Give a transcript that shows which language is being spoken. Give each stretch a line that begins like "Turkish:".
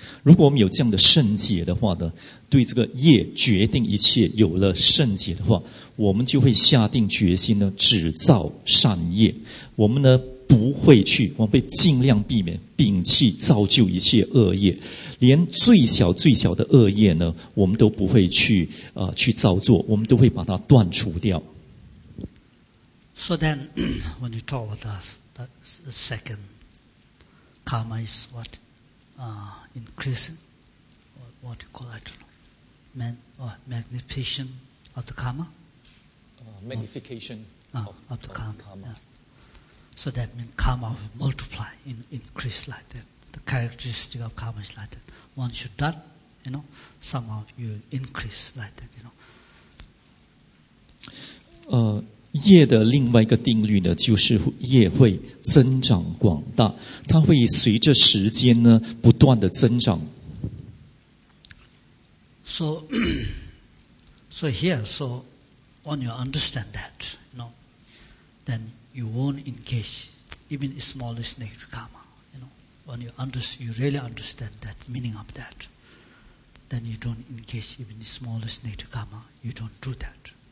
Chinese: 如果我们有这样的圣解的话呢，对这个业决定一切有了圣解的话，我们就会下定决心呢，只造善业。我们呢不会去，我们会尽量避免摒弃造就一切恶业，连最小最小的恶业呢，我们都不会去造作，我们都会把它断除掉。
English: So then, when you talk about the second karma is what? Increasing? What do you call it? Magnification of the karma? Magnification of the karma. So that means karma will multiply, increase like that. The characteristic of karma is like that. Once you're done, you know, somehow you increase like that, you know.
Chinese: 业的另外一个定律呢，就是业会增长广大，它会随着时间呢不断的增长。
English: So here, so when you understand that, you know, then you won't engage even the smallest negative karma. You know, when you really understand that meaning of that, then you don't engage even the smallest negative karma. You don't do that.